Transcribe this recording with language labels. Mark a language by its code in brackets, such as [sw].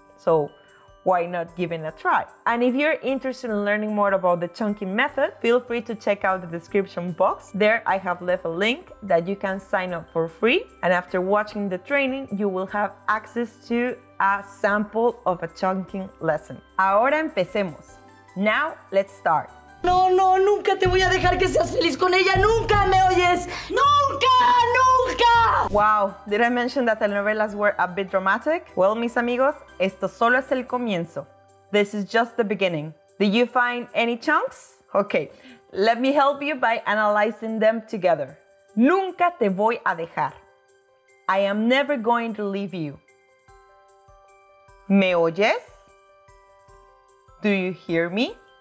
[en] So why not give it a try? And if you're interested in learning more about the chunking method, feel free to check out the description box. There I have left a link that you can sign up for free. And after watching the training, you will have access to a sample of a chunking lesson. [es] Ahora empecemos. [en] Now let's start. [es] No, no, nunca te voy a dejar que seas feliz con ella. Nunca, ¿me oyes? Nunca, nunca. [en] Wow, did I mention that telenovelas were a bit dramatic? [es] Well, mis amigos, esto solo es el comienzo. [en] This is just the beginning. Did you find any chunks? Okay, let me help you by analyzing them together. [es] Nunca te voy a dejar. [en] I am never going to leave you. [es] ¿Me oyes? [en] Do you hear me?